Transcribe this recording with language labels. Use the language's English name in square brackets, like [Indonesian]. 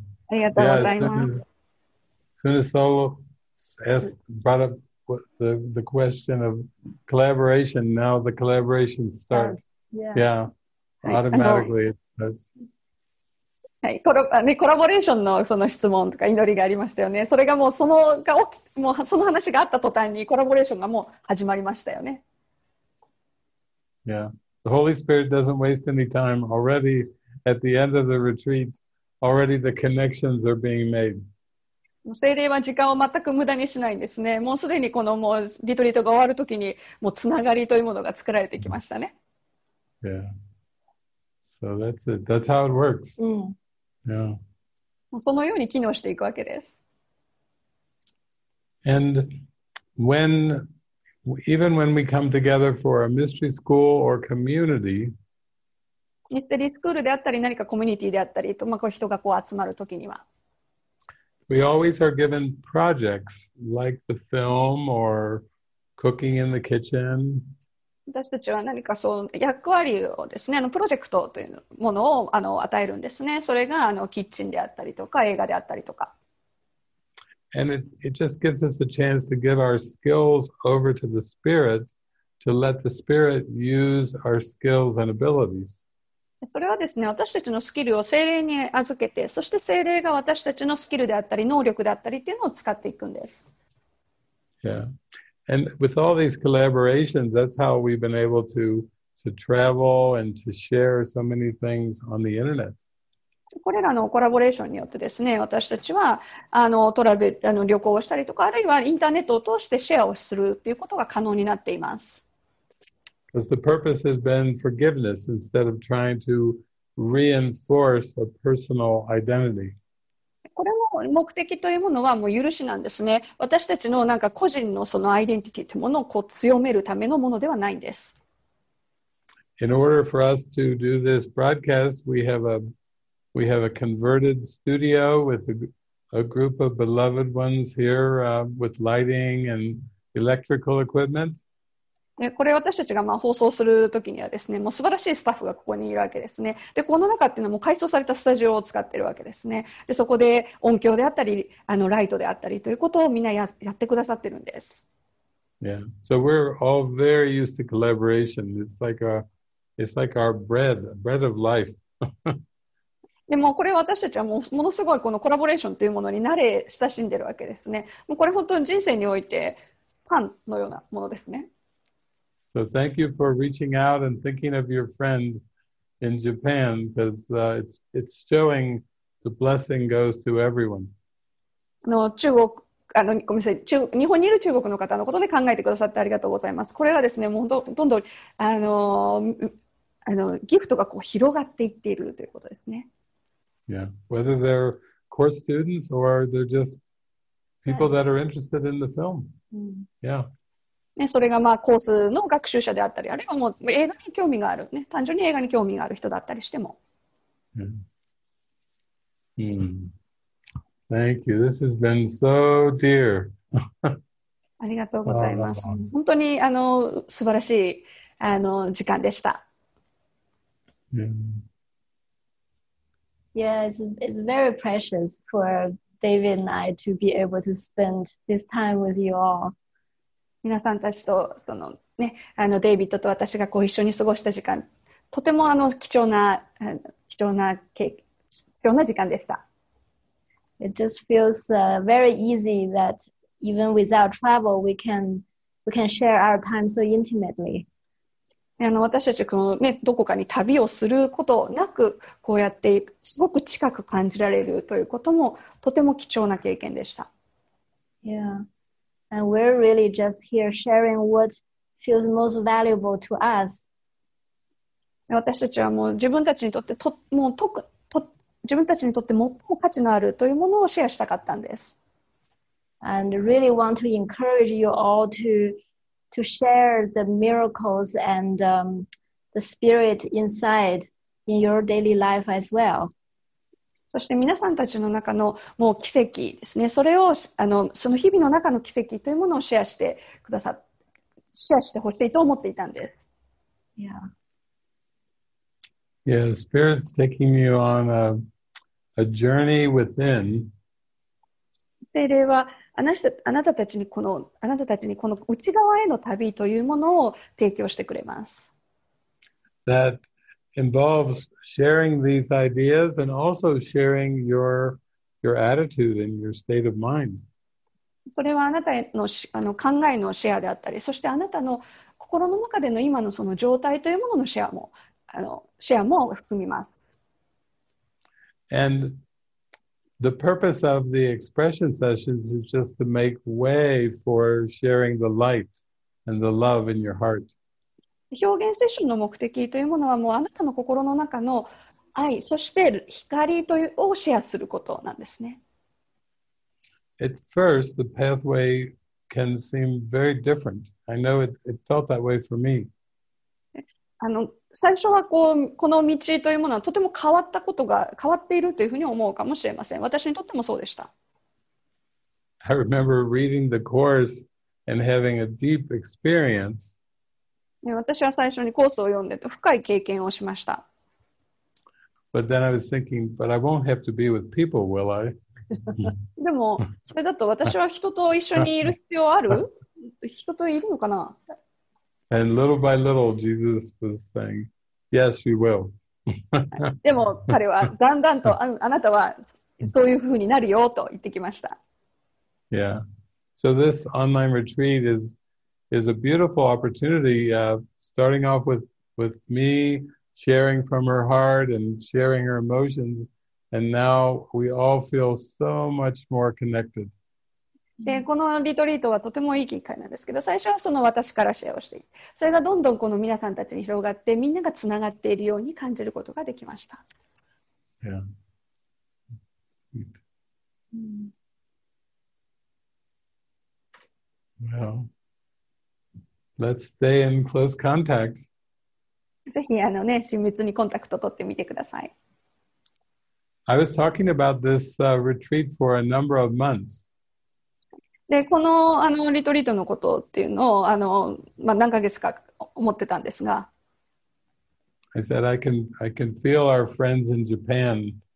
[English] As soon as Solo brought up the question of collaboration, now the collaboration starts. Automatically it starts. [Japanese] はい、コラボレーションのその質問とか祈りがありましたよね。それがもうその話があった途端にコラボレーションがもう始まりましたよね。 [English] Yeah, the Holy Spirit doesn't waste any time. Already at the end of the retreat, already the connections are being made. [Japanese] 聖霊は時間を全く無駄にしないんですね。もうすでにこのもうリトリートが終わるときにもうつながりというものが作られてきましたね。 [English] Yeah. So that's it. That's how it works. [Japanese] そのように機能していくわけです。 [English] And when, even when we come together for a mystery school or community, [Japanese] ミステリースクールであったり何かコミュニティであったりと、まあ、こう人がこう集まるときには、 [English] We always are given projects like the film or cooking in the kitchen. [Japanese] 私たちは何かそう役割をですね、あのプロジェクトというものをあの与えるんですね。それがあのキッチンであったりとか映画であったりとか。 [English] And it just gives us a chance to give our skills over to the Spirit, to let the Spirit use our skills and abilities. [Japanese] それはですね、私たちのスキルを聖霊に預けて、そして聖霊が私たちのスキルであったり、能力であったりっていうのを使っていくんです。 [English] Yeah. And with all these collaborations, that's how we've been able to travel and to share so many things on the internet. [Japanese] これらのコラボレーションによってですね、私たちはあのトラベル、あの旅行をしたりとか、あるいはインターネットを通してシェアをするっていうことが可能になっています。 [English] Because the purpose has been forgiveness instead of trying to reinforce a personal identity. [Japanese] これも目的というものはもう許しなんですね。私たちのなんか個人のそのアイデンティティというものをこう強めるためのものではないんです。 [English] In order for us to do this broadcast, we have a converted studio with a group of beloved ones here, with lighting and electrical equipment. [Japanese] これ私たちがまあ放送するときにはですね、もう素晴らしいスタッフがここにいるわけですね。で、この中っていうのはもう改装されたスタジオを使っているわけですね。で、そこで音響であったり、あのライトであったりということをみんな やってくださってるんです。 [English] Yeah, so we're all very used to collaboration. It's like our bread of life. [Japanese] でもこれ私たちはもうものすごいこのコラボレーションというものに慣れ親しんでるわけですね。もうこれ本当に人生においてパンのようなものですね。 [English] So thank you for reaching out and thinking of your friend in Japan because it's showing the blessing goes to everyone. [Japanese] の中国あのごめんなさい中日本にいる中国の方のことで考えてくださってありがとうございます。これはですねもうどんどんあのギフトがこう広がっていっているということですね。 [English] Yeah, whether they're core students or they're just people that are interested in the film. Yeah. [Japanese] ね、それがまあコースの学習者であったり、あるいはもう映画に興味がある、ね、単純に映画に興味がある人だったりしても。 [English] Mm. Thank you. This has been so dear. [Japanese] ありがとうございます。 Oh. 本当にあの素晴らしいあの時間でした。 Mm. [English] Yeah, it's very precious for David and I to be able to spend this time with you all. [Japanese] 皆さんたちとその、ね、あのデイビッドと私がこう一緒に過ごした時間、とてもあの貴重な時間でした。 [English] It just feels very easy that even without travel, we can share our time so intimately. [Japanese] あの私たちこの、ね、どこかに旅をすることなく、こうやってすごく近く感じられるということも、とても貴重な経験でした。 [English] Yeah. And we're really just here sharing what feels most valuable to us. [Japanese] 私たちはもう自分たちにとって自分たちにとって最も価値のあるというものをシェアしたかったんです。 [English] And really want to encourage you all to share the miracles and the spirit inside in your daily life as well. [Japanese] そして皆さんたちの中のもう奇跡ですね。それをあのその日々の中の奇跡というものをシェアしてくださシェアしてほしいと思っていたんです。 [English] Yeah. Yeah, Spirit's taking you on a journey within. [Japanese] 聖霊はあなたたちにこの内側への旅というものを提供してくれます。 [English] That. involves sharing these ideas and also sharing your attitude and your state of mind. [Japanese] それはあなたの、あの、考えのシェアであったり、そしてあなたの心の中での今のその状態というもののシェアも、あの、シェアも含みます。 [English] And the purpose of the expression sessions is just to make way for sharing the light and the love in your heart. [Japanese] 表現セッションの目的というものはもうあなたの心の中の愛、そして光というをシェアすることなんですね。 [English] At first, the pathway can seem very different. I know it felt that way for me. [Japanese] 最初はこの道というものはとても変わったことが変わっているというふうに思うかもしれません。私にとってもそうでした。 [English] I remember reading the course and having a deep experience. [Japanese] 私は最初にコースを読んでと深い経験をしました。 [English] But then I was thinking, but I won't have to be with people, will I? [Japanese] でもそれだと私は人と一緒にいる必要ある？人といるのかな？ [English] And little by little, Jesus was saying, "Yes, you will." [Japanese] でも彼はだんだんとあなたはそういうふうになるよと言ってきました。 [English] Yeah. So this online retreat is a beautiful opportunity, starting off with me sharing from her heart and sharing her emotions, and now we all feel so much more connected. [Japanese] でこのリトリートはとてもいい機会なんですけど、最初はその私からシェアをしていて、それがどんどんこの皆さんたちに広がって、みんながつながっているように感じることができました。 [English] Yeah. Well, let's stay in close contact. [Japanese] ぜひ親密にコンタクトを取ってみてください。 [English] I was talking about this retreat for a number of months. [Japanese] でこ の, あのリトリートのことっていうのをまあ、何ヶ月か思ってたんですが。 [English] I said, I can feel our friends in Japan.